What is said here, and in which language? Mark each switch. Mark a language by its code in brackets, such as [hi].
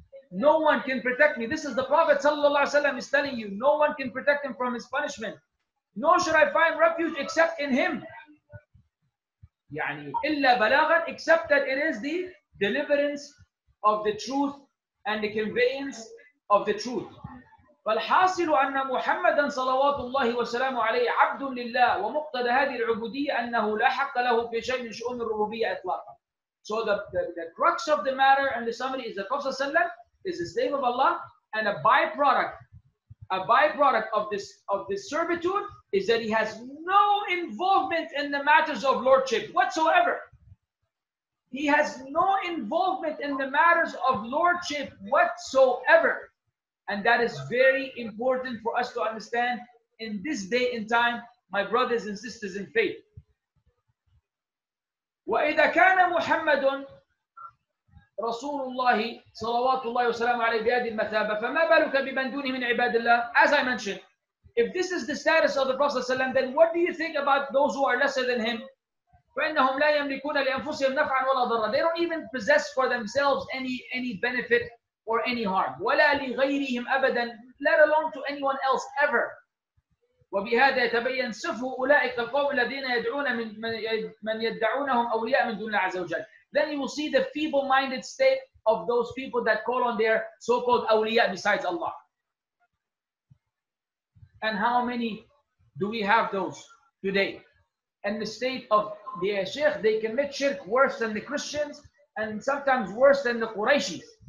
[en] No one can protect me. This is the Prophet sallallahu alaihi wasallam is telling you. No one can protect him from his punishment. Nor should I find refuge except in him. [ar] يعني إلا بلاغاً, [en] except that it is the deliverance of the truth and the conveyance of the truth. [ar] فالحاصل أن محمداً صلوات الله وسلامه عليه عبد لله ومقتدى هذه العبودية أنه لا حق له في شيء من شؤون الربوبية إطلاقاً. [en] So the crux of the matter and the summary is the Prophet sallallahu alaihi wasallam is the slave of Allah, and a byproduct of this servitude is that he has no involvement in the matters of lordship whatsoever. He has no involvement in the matters of lordship whatsoever. And that is very important for us to understand in this day and time, my brothers and sisters in faith. [ar] وَإِذَا كَانَ مُحَمَّدٌ رسول الله صلوات الله وسلامه عليه بهذه المثابة فما بالك بمن دونه من عباد الله. [en] As I mentioned, if this is the status of the Prophet ﷺ, then what do you think about those who are lesser than him? [ar] فإنهم لا يملكون لأنفسهم نفعا ولا ضرا. [en] They don't even possess for themselves any benefit or any harm. [ar] ولا لغيرهم أبدا, [en] let alone to anyone else ever. [ar] وبهذا يتبين سفه أولئك القوم الذين يدعون من يدعونهم أولياء من دون الله عز وجل. [en] Then you will see the feeble-minded state of those people that call on their so-called awliya besides Allah. And how many do we have those today? And the state of the sheikh, they commit shirk worse than the Christians and sometimes worse than the Qurayshis.